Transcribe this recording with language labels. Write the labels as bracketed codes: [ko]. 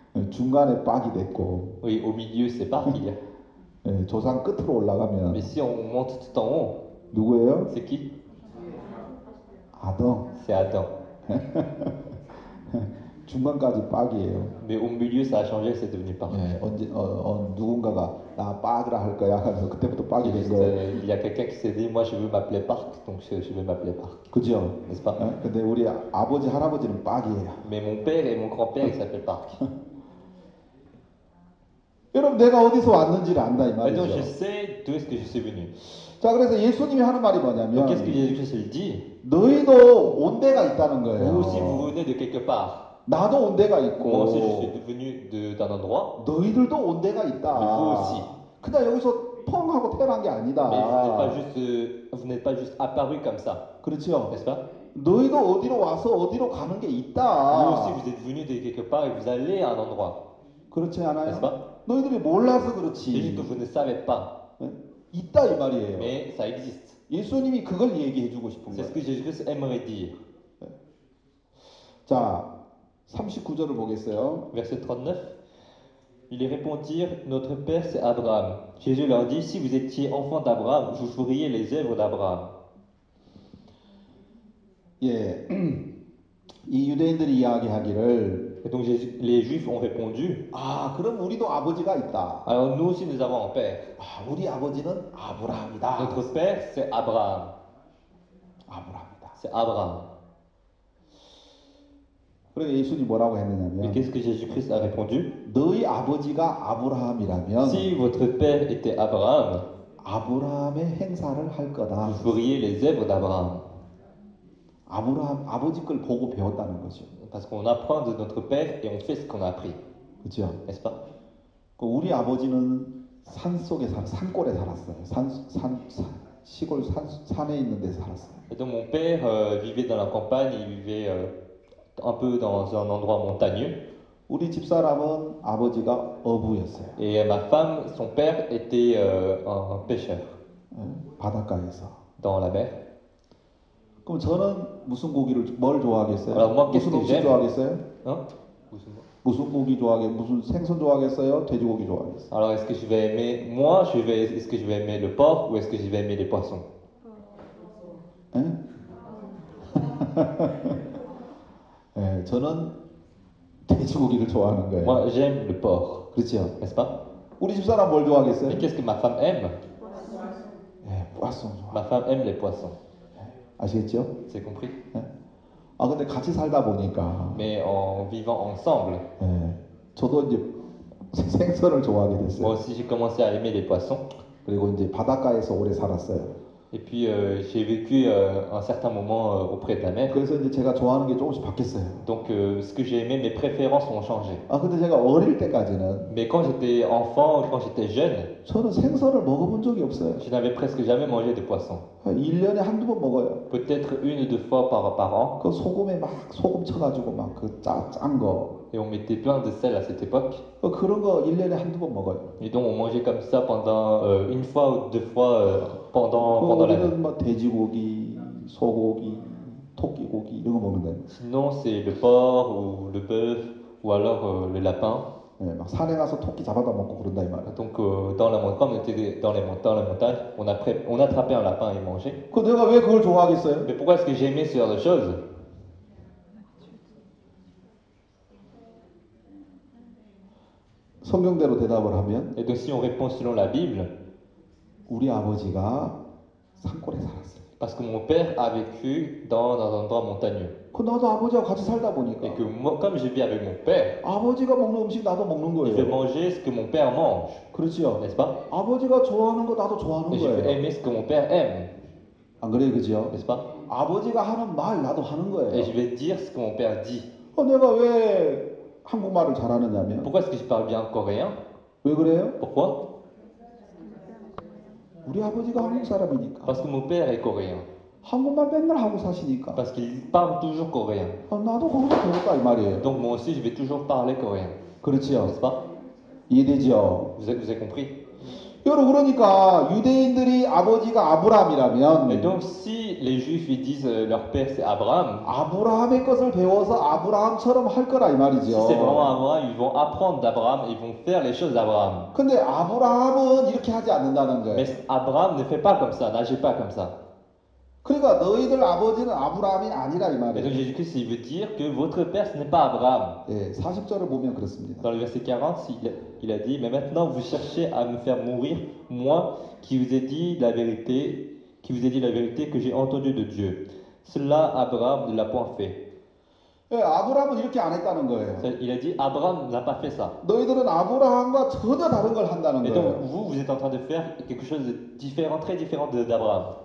[ko] 중간에 박이 됐고. [fr] Oui, au milieu, c'est pas qu'il y a. [ko] 조상 끝으로 올라가면. [fr] Mais si on monte tout en haut. [ko] 누구예요? [fr] C'est qui? [ko] 아담. [fr] C'est Adam. [ko] 중간까지 빡이에요. [fr] Mais au milieu, ça a changé, c'est devenu parfait. [ko] 예, 언제, 누군가가 나 빡이라 할 거야 하면서 그때부터 빡이 된 거예요. [fr] Il y a quelqu'un qui s'est dit, moi je veux m'appeler Park, donc je vais m'appeler Park. [ko] 그죠? [fr] 예, n'est-ce pas? [ko] 근데 우리 아버지, 할아버지는 빡이에요. [fr] Mais mon père et mon grand-père, ils s'appellent Park. [ko] 여러분, 내가 어디서 왔는지를 안다 이 말이죠. [fr] Donc je sais d'où est-ce que je suis venu. [ko] 자, 그래서 예수님이 하는 말이 뭐냐면, [fr] Qu'est-ce que Jésus-Christ dit? [ko] 너희도 온 데가 있다는 거예요. [fr] Vous aussi, vous venez de quelque part. [ko] 나도 온 데가 있고, [fr] Moi aussi, je suis venu d'un endroit. [ko] 너희들도 온 데가 있다. [fr] Vous aussi. [ko] 그냥 여기서 펑 하고 태어난 게 아니다. [fr] Mais vous n'êtes pas juste, vous n'êtes pas juste apparu comme ça. [ko] 그렇죠. [fr] N'est-ce pas? [ko] 너희도 어디로 와서 어디로 가는 게 있다. [fr] Vous aussi, vous êtes venu de quelque part et vous allez à un endroit. [ko] 그렇지 않아요? [fr] N'est-ce pas? [ko] 너희들이 몰라서 그렇지. [fr] Vous ne savez pas. [ko] 있다 이 말이에요. [fr] Mais ça existe. [ko] 예수님이 그걸 얘기해 주고 싶은 거예요. [fr] C'est ce que Jésus aimerait dire. [ko] 자, 39절을 보겠어요. [fr] Verset 39. Ils répondirent, Notre Père, c'est Abraham. Jésus leur dit, Si vous étiez enfant d'Abraham, vous feriez les œuvres d'Abraham. [ko] 예. 이 유대인들이 이야기하기를 [fr] Et donc les Juifs ont répondu. [ko] 아, 그럼 우리도 아버지가 있다. [fr] Alors nous aussi nous avons un père. [ko] 아, 우리 아버지는 아브라함이다. [fr] Notre père c'est Abraham. [ko] 아브라함이다. [fr] C'est Abraham. [ko] 그래서 예수님 뭐라고 했느냐면. [fr] Et qu'est-ce que Jésus-Christ a répondu? [ko] 너희 아버지가 아브라함이라면. [fr] Si votre père était Abraham. [ko] 아브라함의 행사를 할 거다. [fr] Vous feriez les œuvres d'Abraham. [ko] 아브라함 아버지 걸 보고 배웠다는 거죠. [fr] Parce qu'on apprend de notre père et on fait ce qu'on a appris. [ko] 그죠? [fr] N'est-ce pas? [ko] 그 우리 아버지는 산 속에 살 산골에 살았어요. 산 시골 산 산에 있는 데 살았어요. [fr] Et donc mon père vivait dans la campagne, il vivait un peu dans un endroit montagneux. [ko] 우리 집 사람은 아버지가 어부였어요. [fr] Et ma femme, son père était un pêcheur. [ko] 바닷가에서. [fr] Dans la mer. [ko] 그럼 저는 무슨 고기를 뭘 좋아하겠어요? 그럼 무슨 음식 좋아하겠어요? 어? 무슨 뭐? 무슨 고기 좋아해? 무슨 생선 좋아하겠어요? 돼지고기 좋아하겠어요? [fr] Alors est-ce que je vais aimer moi? Je vais est-ce que je vais aimer le porc ou est-ce que je vais aimer les poissons? [ko] 응? 예. 예, 저는 돼지고기를 좋아하는 거예요. [fr] Moi j'aime le porc. [ko] 그렇죠? [fr] N'est-ce pas? [ko] 우리 집 사람 뭘 좋아하겠어요? [fr] Mais qu'est-ce que ma femme aime? [ko] 예, 포아송. [fr] Ma femme aime les poissons. [ko] 아시겠죠? [fr] C'est compris. 네. [ko] 아 근데 같이 살다 보니까. [fr] Mais en vivant ensemble. 네. [ko] 저도 이제 생선을 좋아하게 됐어요. [fr] Moi aussi j'ai commencé à aimer les poissons. [ko] 그리고 이제 바닷가에서 오래 살았어요. [fr] Et puis j'ai vécu un certain moment auprès de la mer. [ko] 그래서 이제 제가 좋아하는 게 조금씩 바뀌었어요. [fr] Donc ce que j'ai aimé, mes préférences ont changé. [ko] 아 근데 제가 어릴 때까지는. [fr] Mais quand j'étais enfant, quand j'étais jeune. [ko] 저는 생선을 먹어본 적이 없어요. [fr] Je n'avais presque jamais mangé de poisson. [ko] 1년에 한두 번 먹어요. [fr] Peut-être une ou deux fois par an. [ko] 그 소금에 막 소금 쳐가지고 막 그 짠 거. [fr] Et on mettait plein de sel à cette époque. [ko] 그런 거 1년에 한두 번 먹어요. [fr] Et donc on mangeait comme ça pendant une fois ou deux fois pendant l'année. [ko] 우리는 막 돼지고기, 소고기, 토끼고기 이런 거 먹는데. [fr] Sinon c'est le porc ou le bœuf ou alors le lapin. [ko] 네, 막 산에 가서 토끼 잡아다 먹고 그런다 이 말. [fr] Donc dans la montagne, dans la montagne, on attrapait un lapin et mangeait. [ko] 그 내가 왜 그걸 좋아하겠어요? [fr] Mais pourquoi est-ce que j'aimais ce genre de choses? [ko] 성경대로 대답을 하면, [fr] Et donc si on répond selon la Bible, [ko] 우리 아버지가 산골에 살았어요. [fr] Parce que mon père a vécu dans un endroit montagneux. [ko] 그 나도 아버지와 같이 살다 보니까. [fr] Et que comme je vis avec mon père. [ko] 아버지가 먹는 음식 나도 먹는 거예요. [fr] Je vais manger ce que mon père mange. [ko] 그렇지요. [fr] N'est-ce pas? [ko] 아버지가 좋아하는 거 나도 좋아하는 [fr] Et [ko] 거예요. [fr] Je vais aimer ce que mon père aime. [ko] 안 그래요, 그죠? [fr] N'est-ce pas? [ko] 아버지가 하는 말 나도 하는 거예요. [fr] Et je vais dire ce que mon père dit. [ko] 내가 왜 한국말을 잘하느냐면. [fr] Pourquoi est-ce que je parle bien coréen? [ko] 왜 그래요? [fr] Pourquoi? [ko] 우리 아버지가 한국 사람이니까. [fr] Parce que mon père est coréen. [ko] 한국말 맨날 하고 사시니까. [fr] Parce qu'il parle toujours coréen. [ko] 아, 나도 한국어 배웠다 이 말이에요. [fr] Donc moi aussi je vais toujours parler coréen. [ko] 그렇지요. [fr] N'est-ce pas? [ko] 이해되죠? [fr] Vous avez compris? [ko] 여러분 그러니까 유대인들이 아버지가 아브라함이라면 [fr] Et donc si les Juifs ils disent leur père c'est Abraham. [ko] 아브라함의 것을 배워서 아브라함처럼 할 거라 이 말이죠. [fr] Si c'est vraiment Abraham, ils vont apprendre d'Abraham, ils vont faire les choses d'Abraham. [ko] 근데 아브라함은 이렇게 하지 않는다는 거예요. [fr] Mais Abraham ne fait pas comme ça, n'agit pas comme ça. [ko] 그러니까 너희들 아버지는 아브라함이 아니라 이 [fr] Et donc Jésus-Christ il veut dire que votre père ce n'est pas Abraham. [ko] 말이에요. 예, 40절을 보면 그렇습니다. [fr] Dans le verset 40, il a dit, mais maintenant vous cherchez à me faire mourir, moi qui vous ai dit la vérité que j'ai entendue de Dieu. Cela, Abraham ne l'a point fait. [ko] 예, 아브라함은 이렇게 안 했다는 거예요. [fr] Il a dit, Abraham n'a pas fait ça. [ko] 너희들은 아브라함과 전혀 다른 걸 한다는 [fr] Et [ko] 거예요. [fr] donc vous êtes en train de faire quelque chose de différent, très différent d'Abraham.